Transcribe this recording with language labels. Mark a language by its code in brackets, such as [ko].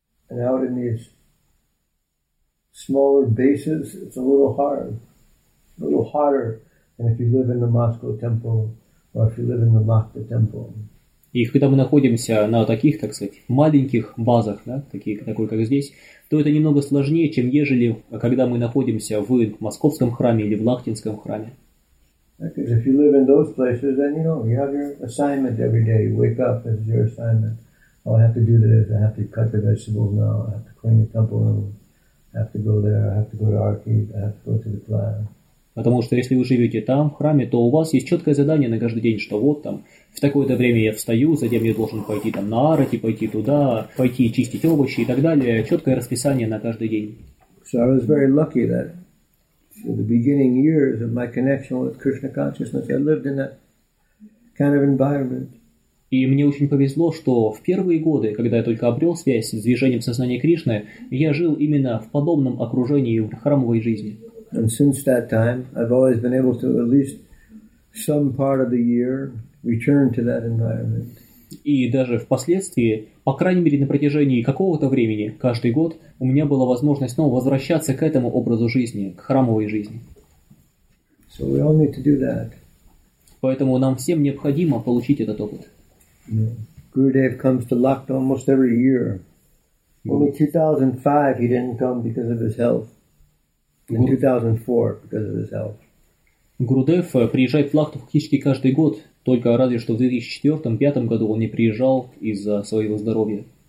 [en] And out in these smaller bases, it's a little hard, a little hotter than if you live in the Moscow temple or if you live in the Lhasa temple. [ru] И когда мы находимся на таких, так сказать, маленьких базах, да, такой, как здесь, то это немного сложнее, чем ежели, когда мы находимся в московском храме или в Лахтинском храме. [en] Because if you live in those places, then you know, you have your assignment every day. You wake up, this is your assignment. Oh, I have to do this, I have to cut the vegetables now, I have to clean the temple room, I have to go there, I have to go to Archive, I have to go to the class. [ru] Потому что если вы живете там, в храме, то у вас есть четкое задание на каждый день, что вот там, в такое-то время я встаю, затем я должен пойти там на арати, пойти туда, пойти чистить овощи и так далее. Четкое расписание на каждый день. [en] So I was very lucky that in the beginning years of my connection with Krishna consciousness, I lived in that kind of environment. [ru] И мне очень повезло, что в первые годы, когда я только обрел связь с движением сознания Кришны, я жил именно в подобном окружении в храмовой жизни. [en] And since that time, I've always been able to at least some part of the year return to that environment. [ru] И даже впоследствии, по крайней мере на протяжении какого-то времени, каждый год, у меня была возможность снова возвращаться к этому образу жизни, к храмовой жизни. [en] So we all need to do that. [ru] Поэтому нам всем необходимо получить этот опыт. [en] Yeah. Gurudev comes to Lhasa almost every year. Only 2005 he didn't come because of his health. In 2004, because of his health. [ru] Гурудев приезжает в Лахту практически каждый год, только разве что в 2004-2005 году он не приезжал из-за своего здоровья.